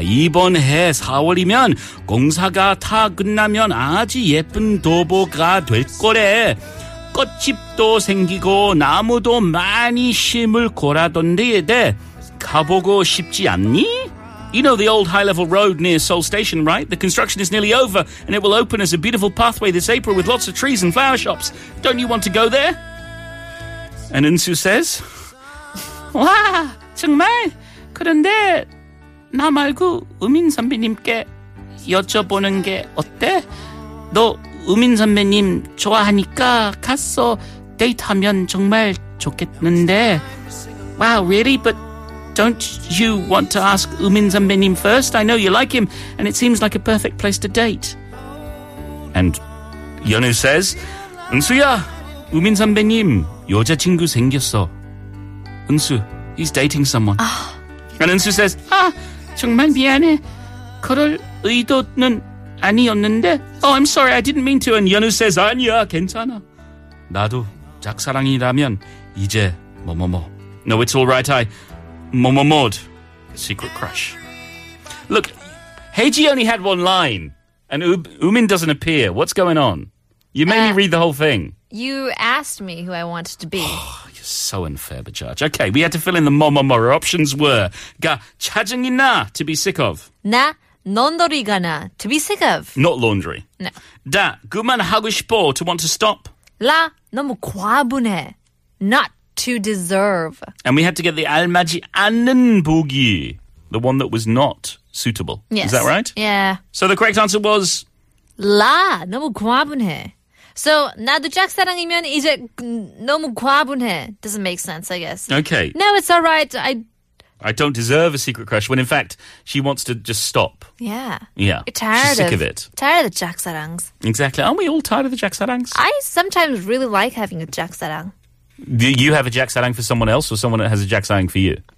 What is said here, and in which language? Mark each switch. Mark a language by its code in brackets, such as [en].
[ko] 이번 해 4월이면 공사가 다 끝나면 아주 예쁜 도보가 될 거래. 꽃집도 생기고 나무도 많이 심을 거라던데 네, 가보고 싶지 않니? [en] You know the old high-level road near Seoul Station, right? The construction is nearly over and it will open as a beautiful pathway this April with lots of trees and flower shops. Don't you want to go there? And Unsu says... [ko] 와, 정말? 그런데 나 말고 우민 선배님께 여쭤보는 게 어때? 너 우민 선배님 좋아하니까 가서 데이트하면 정말 좋겠는데. [en] Wow, really? But don't you want to ask 우민 선배님 first? I know you like him, and it seems like a perfect place to date. And Yanu says, [ko] 은수야, 우민 선배님 여자친구 생겼어. [en] 은수, he's dating someone. Oh. And 은수 says, [ko] 아, 정말 미안해. 그럴 의도는 아니었는데. [en] Oh, I'm sorry, I didn't mean to. And 연우 says, [ko] 아니야, 괜찮아. 나도 짝사랑이라면 이제 뭐뭐뭐. [en] No, it's all right, I 뭐뭐뭐'd. Secret crush. Look, Haechi only had one line, and Umin doesn't appear. What's going on? You made me read the whole thing. You asked me who I wanted to be. So unfair, but judge. Okay, we had to fill in the mo-mo-mo. Our options were [ko] 가 짜증이 나, [en] to be sick of. 나 laundry 가나, to be sick of. Not laundry. No. [ko] 다 그만 하고 싶어, [en] to want to stop. [ko] 라 너무 과분해, [en] not to deserve. And we had to get the [ko] 알맞이 않는 보기, [en] the one that was not suitable. Yes. Is that right? Yeah. So the correct answer was? [ko] 라 너무 과분해. So, 나도 짝사랑이면 이제 너무 과분해. [en] Doesn't make sense, I guess. Okay. No, it's all right. I don't deserve a secret crush when, in fact, she wants to just stop. Yeah. Yeah. You're tired She's of, sick of it. Tired of the jacksarangs. Exactly. Aren't we all tired of the jacksarangs? I sometimes really like having a jacksarang. Do you have a jacksarang for someone else or someone that has a jacksarang for you?